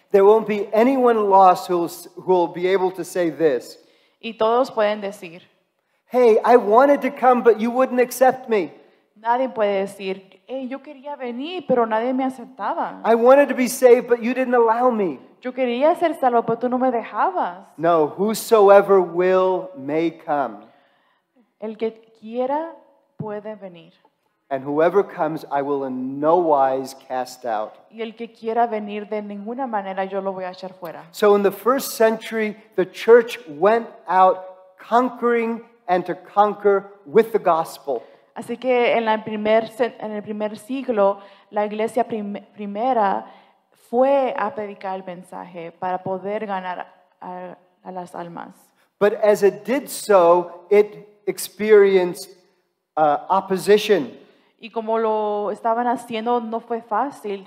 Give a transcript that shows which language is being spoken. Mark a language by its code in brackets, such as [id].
[en] There won't be anyone lost who'll be able to say this. [es] Y todos pueden decir. [en] Hey, I wanted to come, but you wouldn't accept me. [es] Nadie puede decir, hey, yo quería venir, pero nadie me aceptaba. [en] I wanted to be saved, but you didn't allow me. [es] Yo quería ser salvo, pero tú no me dejabas. [en] No, whosoever will may come. [es] El que quiera puede venir. [en] And whoever comes, I will in no wise cast out. [es] Y el que quiera venir de ninguna manera, yo lo voy a echar fuera. [en] So in the first century, the church went out conquering and to conquer with the gospel. [es] Así que en el primer siglo, la iglesia primera fue a predicar el mensaje para poder ganar a las almas. [en] But as it did so, it experienced opposition. [es] Y como lo estaban haciendo, no fue fácil.